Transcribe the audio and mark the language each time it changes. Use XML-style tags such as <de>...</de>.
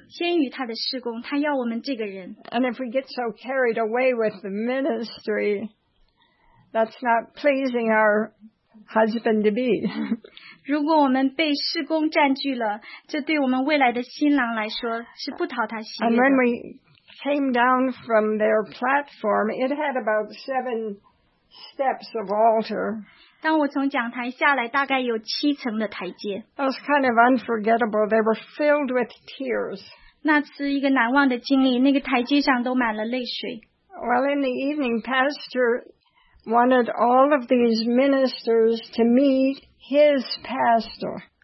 <zh>他要我们先于他的事工，他要我们这个人。</zh> <en>And if we get so carried away with the ministry, that's not pleasing our husband to be.</en> <zh>如果我们被事工占据了，这对我们未来的新郎来说是不讨他喜悦的。</zh> <en>And when we came down from their platform, it had about 7 steps of altar.</en> <zh>当我从讲台下来，大概有7层的台阶。</zh> <en>It was kind of unforgettable. They were filled with tears.</en> <zh>那次一个难忘的经历，那个台阶上都满了泪水。</zh> <en>Well, in the evening, Pastor wanted all of these ministers to meet his pastor.</en>